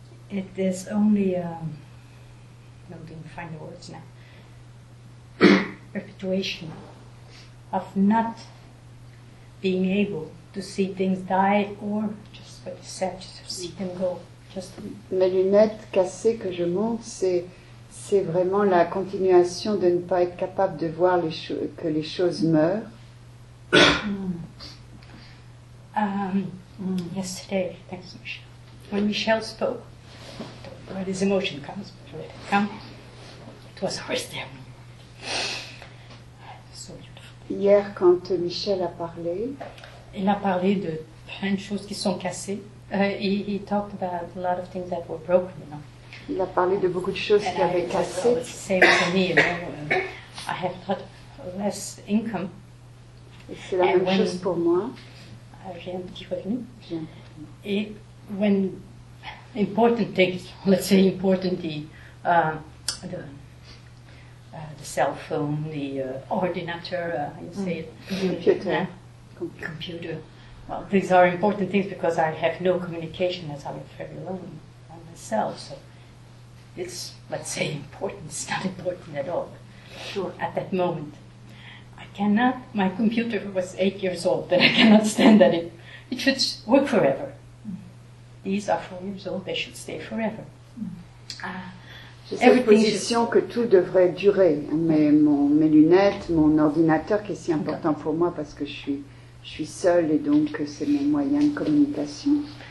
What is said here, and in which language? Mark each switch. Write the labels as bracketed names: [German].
[English] It is only, I don't find the words now, perpetuation of not being able to see things die or just what you said, just see them go. [French] Mes lunettes cassées que je montre, c'est vraiment la continuation de ne pas être capable de voir les que les choses meurent. [English] Yesterday, thank you, Michelle. When Michelle spoke, where this emotion comes, but where it comes, it was always there. So beautiful. [French] Hier, quand Michelle a parlé, il a parlé de plein de choses qui sont cassées. [English] He talked about a lot of things that were broken, you know. [French] Il a parlé de beaucoup de choses qui avaient cassé. [English] Same for me, you know. I have got less income. [French] Et c'est la même chose pour moi. J'ai un petit revenu. [English] Et when important things, let's say important, the cell phone, the ordinateur, you say it. Computer. Computer. Well, these are important things because I have no communication as I live very alone by myself. So it's, let's say, important. It's not important at all. Sure. At that moment, I cannot. My computer was 8 years old, and I cannot stand that it should work forever. Mm-hmm. These are 4 years old. They should stay forever. [French] J'ai cette position que tout devrait durer, mais mes lunettes, mon ordinateur, qui est si important pour moi parce que je suis seule et donc c'est mon moyen de communication.